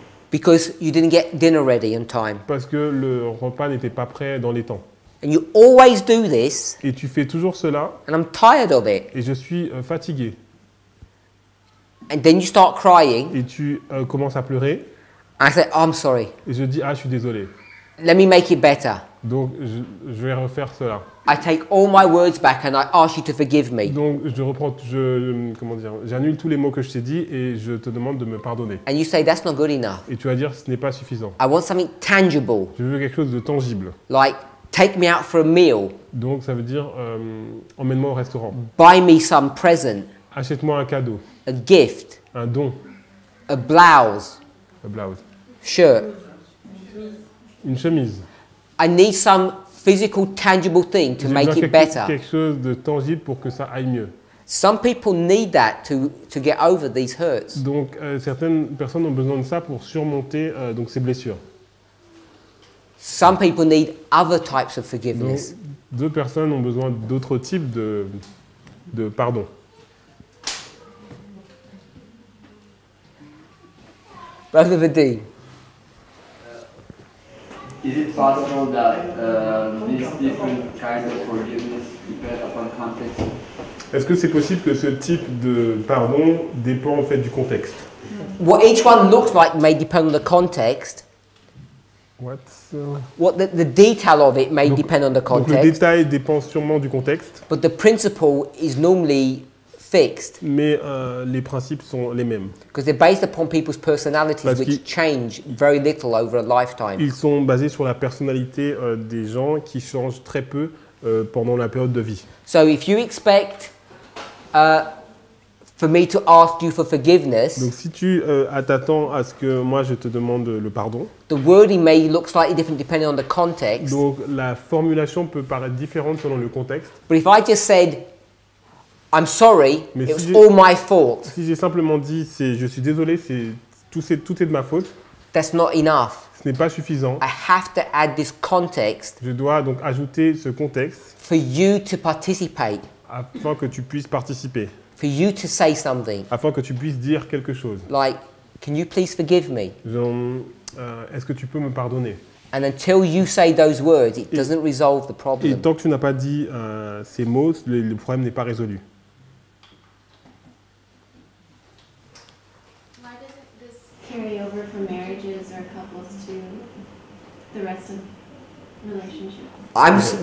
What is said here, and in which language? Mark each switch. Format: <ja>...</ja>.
<en>Because you didn't get dinner ready in time.</en> <fr>Parce que le repas n'était pas prêt dans les temps.</fr> <en>And you always do this.</en> <fr>Et tu fais toujours cela.</fr> <en>And I'm tired of it.</en> <fr>Et je suis fatigué.</fr> <en>And then you start crying.</en> <fr>Et tu commences à pleurer.</fr> <en>I said, oh, I'm sorry.</en> <fr>Et je dis, ah, je suis désolé.</fr> <en>Let me make it better.</en> <fr>Donc, je vais refaire cela.</fr> <en>I take all my words back and I ask you to forgive me.</en> <fr>Donc, je reprends, j'annule tous les mots que je t'ai dit et je te demande de me pardonner.</fr> <en>And you say, that's not good enough.</en> <fr>Et tu vas dire, ce n'est pas suffisant.</fr> <en>I want something tangible.</en> <fr>Je veux quelque chose de tangible.</fr> <en>Like, take me out for a meal.</en> <fr>Donc, ça veut dire, emmène-moi au restaurant.</fr> <en>Buy me some present.</en> <fr>Achète-moi un cadeau.</fr> <en>A gift.</en> <fr>Un don.</fr> <en>A blouse. A blouse. Shirt.</en> <fr>Une chemise.</fr> <en>I need some physical, tangible thing to make it better.</en> <fr>Quelque chose de tangible pour que ça aille mieux.</fr> <en>Some people need that to get over these hurts.</en> <fr>Donc certaines personnes ont besoin de ça pour surmonter donc ces blessures.</fr> <en>Some people need other types of forgiveness.</en> <fr>Donc, deux personnes ont besoin d'autres types de pardon.</fr> <en>Brother Vadim. Is it possible that these different kinds of forgiveness depend upon context?</en> <fr>Est-ce que c'est possible que ce type de pardon dépend en fait du contexte?</fr> <en>What each one looks like may depend on the context. What's, what the detail of it may depend on the context.</en> <fr>Donc le détail dépend sûrement du contexte.</fr> <en>But the principle is normally fixed.</en> <fr>Mais les principes sont les mêmes.</fr> <en>Because they're based upon people's personalities,</en> <fr>parce</fr> <en>which change very little over a lifetime.</en> <fr>Ils sont basés sur la personnalité des gens qui changent très peu pendant la période de vie.</fr> <en>So if you expect for me to ask you for forgiveness,</en> <fr>donc si tu t'attends à ce que moi je te demande le pardon,</fr> <en>the wording may look slightly different depending on the context.</en> <fr>Donc la formulation peut paraître différente selon le contexte.</fr> <en>But if I just said I'm sorry,</en> <fr>mais</fr> <en>it was all my fault.</en> <fr>Si j'ai simplement dit c'est je suis désolé, c'est tout de ma faute.</fr> <en>That's not enough.</en> <fr>Ce n'est pas suffisant.</fr> <en>I have to add this context.</en> <fr>Je dois donc ajouter ce contexte.</fr> <en>For you to participate.</en> <fr>Afin que tu puisses participer.</fr> <en>For you to say something.</en> <fr>Afin que tu puisses dire quelque chose.</fr> <en>Like, can you please forgive me?</en> <fr>Genre, est-ce que tu peux me pardonner?</fr> <en>And until you say those words, it doesn't resolve the problem.</en> <fr>Et tant que tu n'as pas dit ces mots, le problème n'est pas résolu.</fr> <en>Why doesn't this carry over from marriages or couples to the rest of relationships?</en>